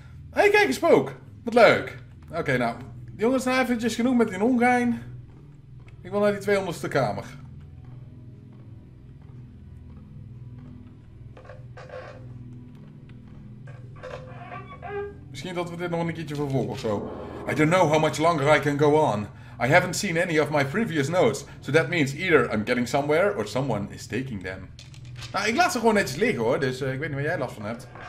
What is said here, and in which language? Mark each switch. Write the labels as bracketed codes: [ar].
[nl] Hey, kijk, een spook. Wat leuk. Oké, nou. Jongens, nou eventjes genoeg met die ongein. Ik wil naar die 200ste kamer. Misschien dat we dit nog een keertje vervolgen of zo. [en] I don't know how much longer I can go on. I haven't seen any of my previous notes. So that means either I'm getting somewhere or someone is taking them. [nl] Nou, ik laat ze gewoon netjes liggen hoor. Dus ik weet niet waar jij last van hebt.